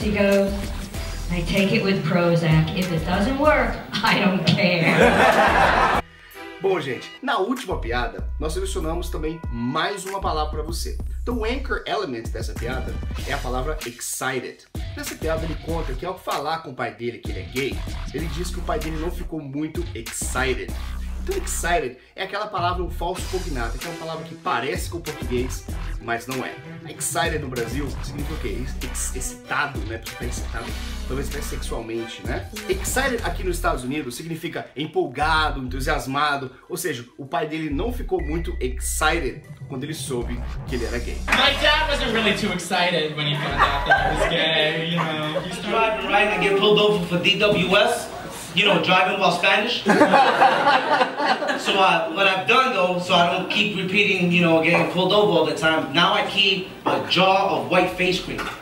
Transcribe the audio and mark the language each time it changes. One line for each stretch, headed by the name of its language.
English: He goes, I take it with Prozac. If it doesn't work, I don't care.
Portuguese: Bom, gente, na última piada, nós selecionamos também mais uma palavra para você. Então, o anchor element dessa piada é a palavra excited. Nessa piada, ele conta que ao falar com o pai dele que ele é gay, ele diz que o pai dele não ficou muito excited. Então, excited é aquela palavra, um falso cognato, que é uma palavra que parece com o português, mas não é. Excited no Brasil significa o quê? Excitado, né? Porque você tá excitado, talvez até sexualmente, né? Excited aqui nos Estados Unidos significa empolgado, entusiasmado. Ou seja, o pai dele não ficou muito excited quando ele soube que ele era gay.
English: My dad wasn't really too excited when he found out that I was gay, you know. He's driving right and get pulled over for DWS, you know, driving while Spanish. So what I've done though, so I don't keep repeating, you know, getting pulled over all the time, now I keep a jar of white face cream.